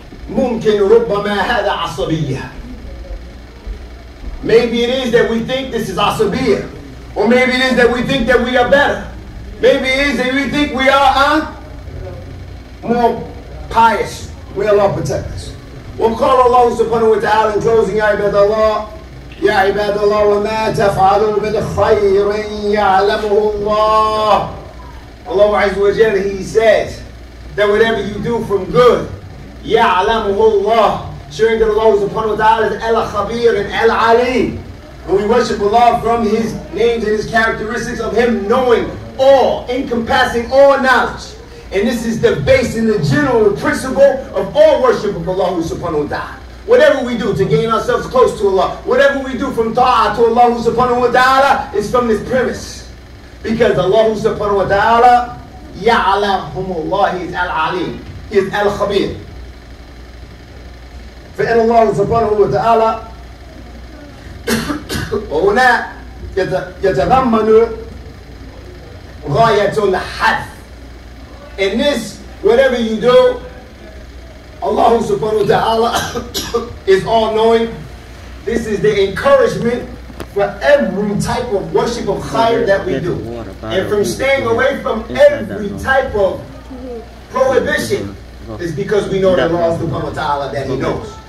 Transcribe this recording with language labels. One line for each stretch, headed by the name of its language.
Arabic: ممكن ربما هذا عصبية.
English: Maybe it is that we think this is عصبية. Or maybe it is that we think that we are better. Maybe it is that we think we are more pious. May Allah protect us. We'll call Allah subhanahu wa ta'ala in closing, Ya Ibadallah.
Arabic: يا عباد الله وما تفعلوا من خير يعلمه الله. الله عز وجل,
English: he says that whatever you do from good,
Arabic: يعلمه الله.
English: Showing that Allah subhanahu wa ta'ala is al khabir and al alim. And we worship Allah from his names and his characteristics of him knowing all, encompassing all knowledge. And this is the base and the general principle of all worship of Allah subhanahu wa ta'ala. Whatever we do to gain ourselves close to Allah, whatever we do from ta'a to Allah subhanahu wa ta'ala, is from this premise. Because Allah subhanahu wa ta'ala, ya'lamhumullah, he is al-alim, he is al-khabir.
Arabic: فإن الله سبحانه وتعالى هنا يتضمن غاية الحث.
English: In this, whatever you do, Allah subhanahu wa ta'ala is all-knowing. This is the encouragement for every type of worship of khayr that we do. And from staying away from every type of prohibition is because we know that Allah subhanahu wa ta'ala, that he knows.